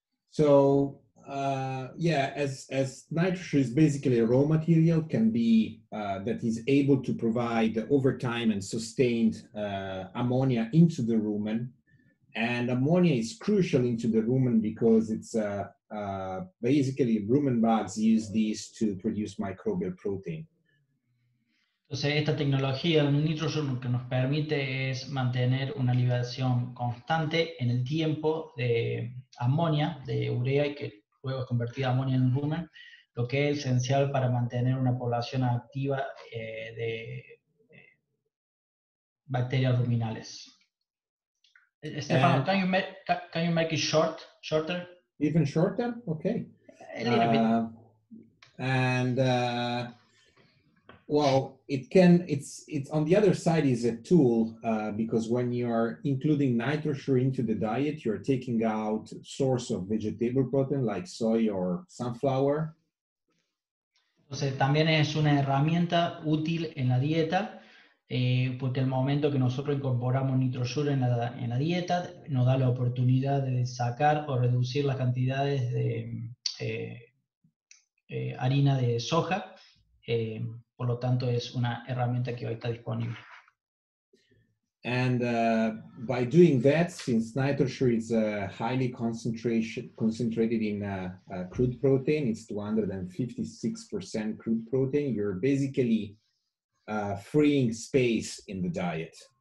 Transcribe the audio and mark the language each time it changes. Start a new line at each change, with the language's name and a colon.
English: So, as NitroSure is basically a raw material, can be that is able to provide over time and sustained ammonia into the rumen. And ammonia is crucial into the rumen because it's basically rumen bugs use these to produce microbial protein.
Spanish: Entonces, esta tecnología de NitroSure lo que nos permite es mantener una liberación constante en el tiempo de amonía, de urea, y que luego es convertida en amonía en rumen, lo que es esencial para mantener una población activa de bacterias ruminales.
English: Stefano, can you make it shorter? Even shorter? Okay. A little bit. Well, it can. It's on the other side is a tool because when you are including NitroSure into the diet, you are taking out source of vegetable protein like soy or sunflower.
Spanish: Entonces también es una herramienta útil en la dieta porque el momento que nosotros incorporamos NitroSure en la dieta nos da la oportunidad de sacar o reducir las cantidades de harina de soja. Por lo tanto, es una herramienta que hoy está disponible.
English: And by doing that, since NitroSure is highly concentrated in crude protein, it's 256% crude protein, you're basically freeing space in the diet.